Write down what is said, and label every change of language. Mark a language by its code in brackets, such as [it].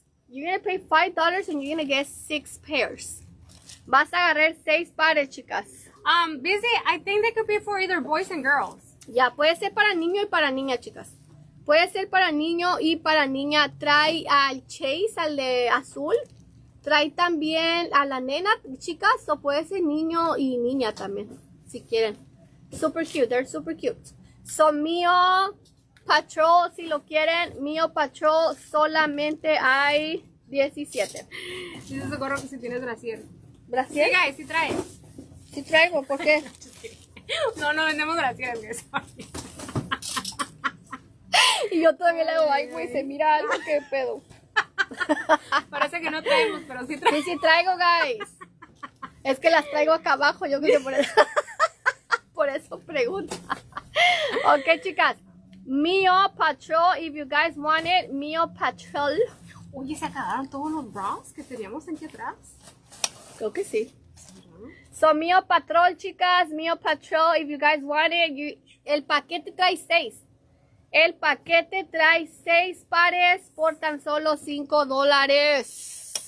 [en] You're going to pay $5 and you're going to get 6 pairs. [es] Vas a agarrar 6 pares, chicas. [en] Busy, I think they could be for either boys and girls. [es] Ya, puede ser para niño y para niña, chicas. Puede ser para niño y para niña. Trae al Chase, al de azul. Trae también a la nena, chicas. O puede ser niño y niña también, si quieren. [en] Super cute, they're super cute. Son Mio Patrol, si lo quieren. [es] Mio Patrol, solamente hay 17. Si se socorro que si tienes brasier. ¿Brasier? Sí, guys, sí trae. Sí traigo, ¿por qué? No, no vendemos brasier, guys. Y yo todavía le digo, ay, güey, se mira algo, qué pedo. Parece que no traemos, pero sí traigo. Sí, sí traigo, guys. Es que las traigo acá abajo, yo creo que por eso. Por eso pregunta. Ok, chicas. [en] Mio Patrol, if you guys want it, Mio Patrol. [es] Oye, ¿se acabaron todos los bras que teníamos aquí atrás? Creo que sí. So, Mio Patrol, chicas. [en] Mio Patrol, if you guys want it. El paquete trae 6. [es] El paquete trae 6 pares por tan solo $5.